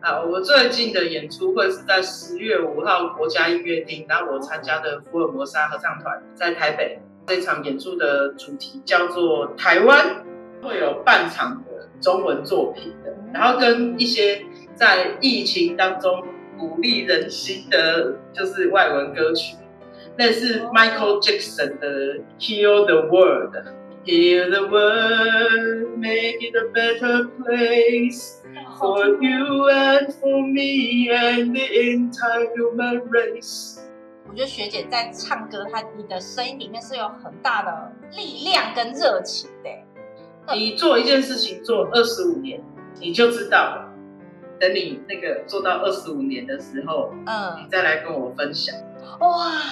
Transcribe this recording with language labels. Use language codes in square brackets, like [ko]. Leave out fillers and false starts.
[zh] 我最近的演出会是在10月5号国家音乐厅，然后我参加的福尔摩沙合唱团在台北，这场演出的主题叫做台湾，会有半场的中文作品的，然后跟一些在疫情当中鼓励人心的就是外文歌曲，那是 Michael Jackson 的 Heal the World。 [en] Hear the world, make it a better place for you and for me and the entire human race. [zh] 我觉得学姐在唱歌，她你的声音里面是有很大的力量跟热情的。你做一件事情做25年，你就知道了。等你那个做到25年的时候，你再来跟我分享。哇，